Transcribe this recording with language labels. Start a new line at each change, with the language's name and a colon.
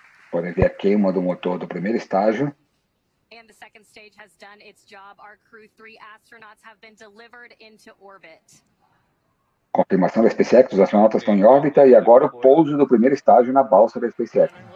Portuguese: Podem ver a queima do motor do primeiro estágio.
English: And the second stage has done its job. Our crew, three astronauts, have been delivered into orbit.
Portuguese: Confirmação da SpaceX, os astronautas estão em órbita e agora o pouso do primeiro estágio na balsa da SpaceX.